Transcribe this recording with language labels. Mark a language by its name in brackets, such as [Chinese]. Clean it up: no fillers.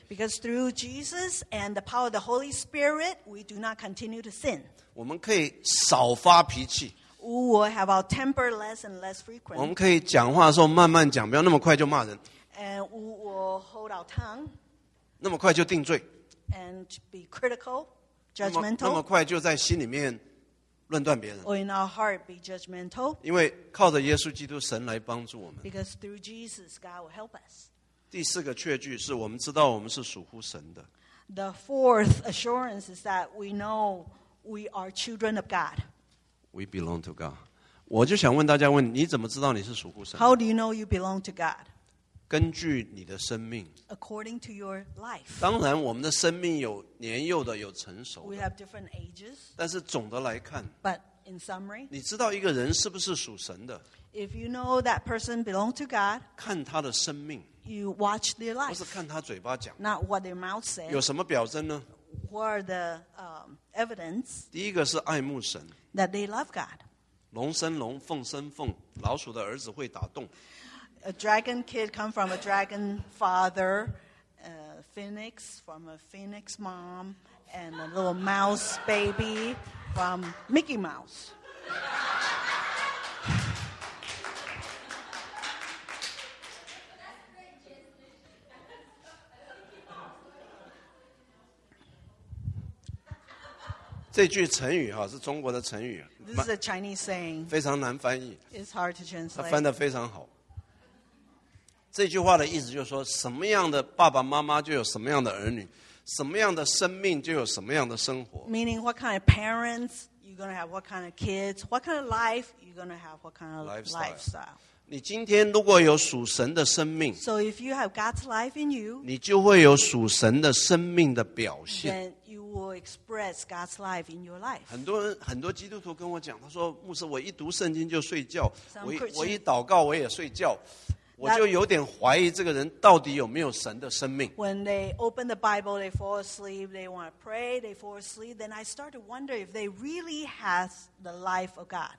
[English] Because through Jesus and the power of the Holy Spirit, we do not continue to sin. [Chinese] 我们可以少发脾气。 [English] We will have our temper less and less frequent. [Chinese] 我们可以讲话的时候慢慢讲, 不要那么快就骂人。 [English] And we will hold our tongue. [Chinese] 那么快就定罪。 [English] And be critical, judgmental. [Chinese] 那么快就在心里面论断别人。 [English] Or in our heart be judgmental. [Chinese] 因为靠着耶稣基督神来帮助我们。 [English] Because through Jesus, God will help us. [Chinese] 第四个确据是我们知道我们是属乎神的。 [English] The fourth assurance is that we know we are children of God. We belong to God. [Chinese] 我就想问大家问, 你怎么知道你是属乎神? [English] How do you know you belong to God? [Chinese] 根据你的生命。 [English] According to your life. [Chinese] 当然我们的生命有年幼的, 有成熟的。 [English] We have different ages. [Chinese] 但是总的来看, [English] But in summary, [Chinese] 你知道一个人是不是属神的? [English] If you know that person belongs to God, [Chinese] 看他的生命, [English] You watch their life. [Chinese] 不是看他嘴巴讲, [English] Not what their mouth says. [Chinese] 有什么表征呢? [English] What are the evidence? [Chinese] 第一个是爱慕神。 [English] That they love God. [Chinese] 龙生龙, 凤生凤, 老鼠的儿子会打洞。 [English] A dragon kid come from a dragon father, a phoenix from a phoenix mom, and a little mouse baby from Mickey Mouse. [Chinese] 这句成语是中国的成语 [English] This is a Chinese saying [Chinese] 非常难翻译 [English] It's hard to translate [Chinese] 它翻得非常好 这句话的意思就是说 什么样的爸爸妈妈就有什么样的儿女 什么样的生命就有什么样的生活 [English] Meaning what kind of parents you're going to have what kind of kids what kind of life you're going to have what kind of lifestyle [Chinese] 你今天如果有属神的生命 [English] So if you have God's life in you [Chinese] 你就会有属神的生命的表现 [English] Will express God's life in your life. [Chinese] 很多基督徒跟我讲，他说牧师，我一读圣经就睡觉，我一祷告我也睡觉，我就有点怀疑这个人到底有没有神的生命。 [English] When they open the Bible, they fall asleep. They want to pray, they fall asleep. Then I start to wonder if they really has the life of God.